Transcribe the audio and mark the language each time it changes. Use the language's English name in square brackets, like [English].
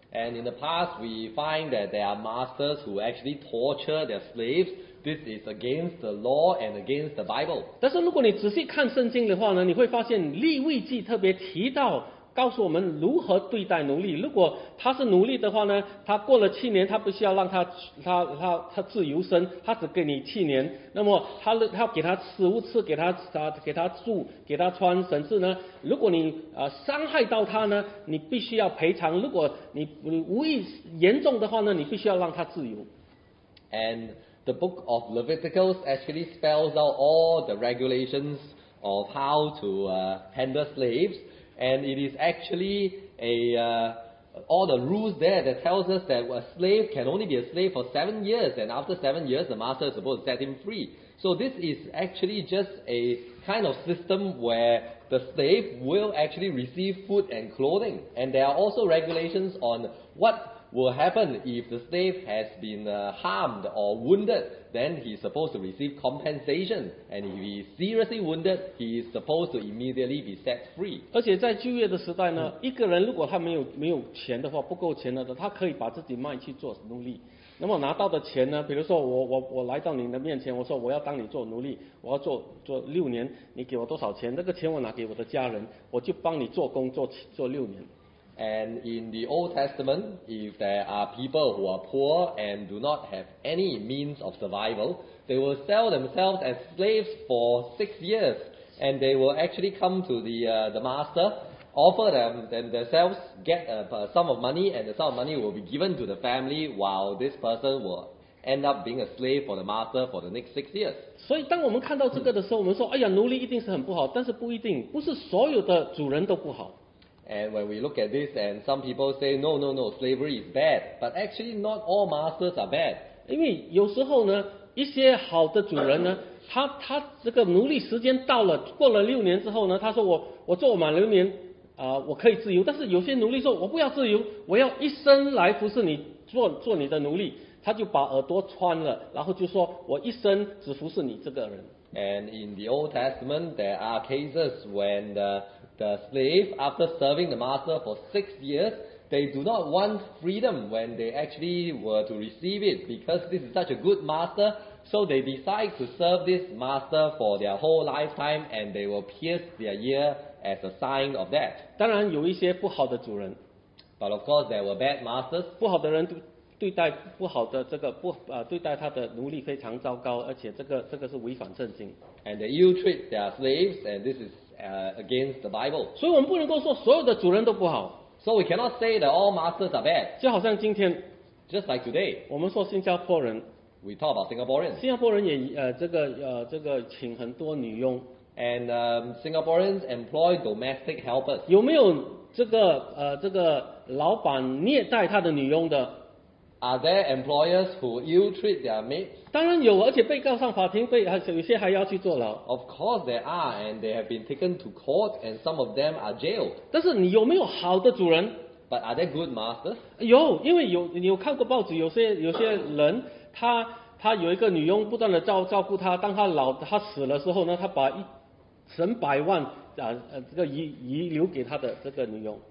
[English] And in the past, we find that there are masters who actually torture their slaves. This is against the law and against the Bible. [Chinese] 但是如果你仔细看圣经的话呢，你会发现利未记特别提到。告诉我们如何对待奴隶。如果他是奴隶的话呢，他过了七年，他不需要让他自由身，他只给你七年。那么他给他食物吃，给他住，给他穿，甚至呢，如果你伤害到他呢，你必须要赔偿。如果你无意严重的话呢，你必须要让他自由。 [English] And the book of Leviticus actually spells out all the regulations of how to handle slaves. And it is actually all the rules there that tells us that a slave can only be a slave for 7 years, and after 7 years, the master is supposed to set him free. So this is actually just a kind of system where the slave will actually receive food and clothing. And there are also regulations on what will happen if the slave has been harmed or wounded, then he's supposed to receive compensation. And if he's seriously wounded, he's supposed to immediately be set free. [Chinese] 而且在旧约的时代呢，一个人如果他没有钱的话，不够钱了的，他可以把自己卖去做奴隶。那么拿到的钱呢，比如说我来到你的面前，我说我要当你做奴隶，我要做六年，你给我多少钱？那个钱我拿给我的家人，我就帮你做工做六年。 [English] And in the Old Testament, if there are people who are poor and do not have any means of survival, they will sell themselves as slaves for 6 years, and they will actually come to the master, offer themselves, get a sum of money, and the sum of money will be given to the family while this person will end up being a slave for the master for the next 6 years. [Chinese] 所以当我们看到这个的时候，我们说，哎呀，奴隶一定是很不好，但是不一定，不是所有的主人都不好。 [English] And when we look at this, and some people say, no, no, no, slavery is bad. But actually, not all masters are bad. [Chinese] 因为有时候呢，一些好的主人呢，他这个奴隶时间到了，过了六年之后呢，他说我做满六年，我可以自由。但是有些奴隶说，我不要自由，我要一生来服侍你，做你的奴隶。他就把耳朵穿了，然后就说我一生只服侍你这个人。 [English] And in the Old Testament, there are cases when the slave, after serving the master for 6 years, they do not want freedom when they actually were to receive it, because this is such a good master, so they decide to serve this master for their whole lifetime, and they will pierce their ear as a sign of that. [Chinese] 当然有一些不好的主人。 [English] But of course, there were bad masters. [Chinese] 不好的人对待他的奴隶非常糟糕，而且这个是违反圣经。 [English] And they ill treat their slaves, and this is against the Bible. [Chinese] 所以我们不能够说所有的主人都不好。 [English] So we cannot say that all masters are bad. [Chinese] 就好像今天 [English] ，just like today， [Chinese] 我们说新加坡人 [English] ，we talk about Singaporeans. [Chinese] 新加坡人也请很多女佣。 [English] And Singaporeans employ domestic helpers. [Chinese] 有没有这个老板虐待他的女佣的？ [English] Are there employers who ill treat their maids? [Chinese] 当然有，而且被告上法庭，有些还要去坐牢。 [English] Of course there are, and they have been taken to court, and some of them are jailed. [Chinese] 但是你有没有好的主人？ [English] But are there good masters? [Chinese] 有，因为你有看过报纸，有些人，他有一个女佣不断的照顾他，当他老他死了之后呢，他把100万这个遗留给他的这个女佣。